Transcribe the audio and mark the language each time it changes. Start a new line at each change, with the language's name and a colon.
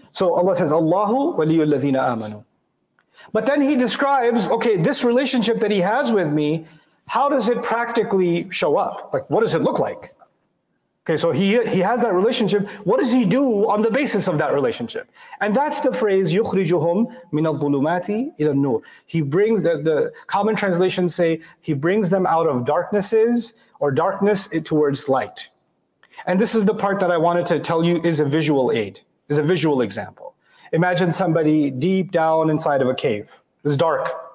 English: So Allah says,
Arabic: Allahu waliyul ladhina amanu.
English: But then he describes, okay, this relationship that he has with me, how does it practically show up? Like, what does it look like? Okay, so he has that relationship. What does he do on the basis of that relationship? And that's the phrase,
Arabic: يُخْرِجُهُمْ مِنَ الظُّلُمَاتِ إِلَى النُّورِ.
English: He brings, the common translations say, he brings them out of darknesses or darkness towards light. And this is the part that I wanted to tell you is a visual aid, is a visual example. Imagine somebody deep down inside of a cave. It's dark.